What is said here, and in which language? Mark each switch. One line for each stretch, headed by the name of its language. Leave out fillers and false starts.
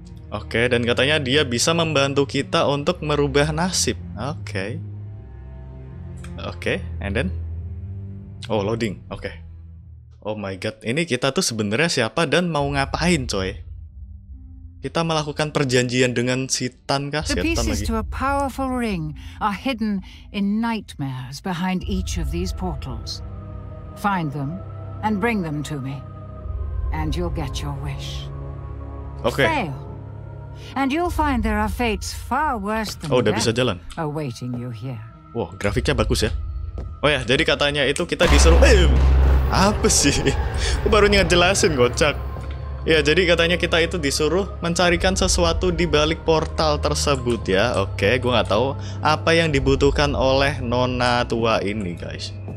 Indonesian: Oke, dan katanya dia bisa membantu kita untuk merubah nasib.
English: Oke. Okay. Oke, okay, and then? Oh, loading. Oke. Okay. Oh my god,
Indonesian: ini kita tuh sebenarnya siapa dan mau ngapain coy? Kita melakukan perjanjian dengan setan kah?
English: The pieces to a powerful ring are hidden in nightmares behind each of these portals. Find them and bring them to me, and you'll get your wish. Okay. Fail, and you'll find there are fates far worse than death.
Indonesian: Oh, udah bisa jalan.
English: Awaiting you here.
Indonesian: Wow, grafiknya bagus ya. Oh ya, jadi katanya itu kita disuruh. Bim! Apa sih? Aku baru ngejelasin, gocak. Ya, jadi katanya kita itu disuruh mencarikan sesuatu di balik portal tersebut ya. Oke, okay, gua nggak tahu apa yang dibutuhkan oleh nona tua ini, guys.